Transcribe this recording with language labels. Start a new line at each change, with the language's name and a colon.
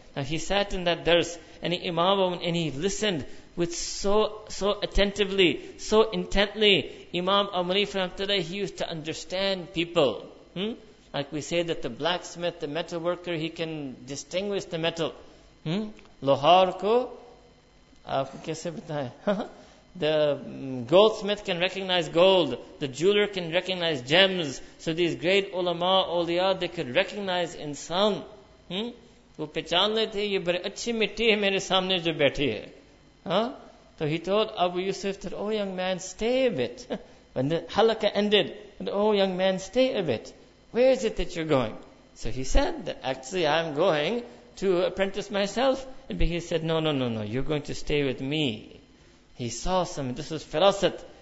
English: Now he sat in that dars, and he listened with so attentively, so intently. Imam Abu Hanifa Ramtanay, he used to understand people. Like we say that the blacksmith, the metal worker, he can distinguish the metal.
Urdu: لوہار کو، آپ کیسے بتائے؟
English: The goldsmith can recognize gold. The jeweler can recognize gems. So these great ulama, awliya, they could recognize insan.
Urdu: وہ پہچان لیتے ہے، یہ بڑے اچھی مٹی ہے میرے سامنے جو بیٹھی ہے۔
English: So he told Abu Yusuf that, oh young man, stay a bit. When the halaqa ended, where is it that you're going? So he said that actually I'm going to apprentice myself. But he said, no, you're going to stay with me. He saw something. This was firasat.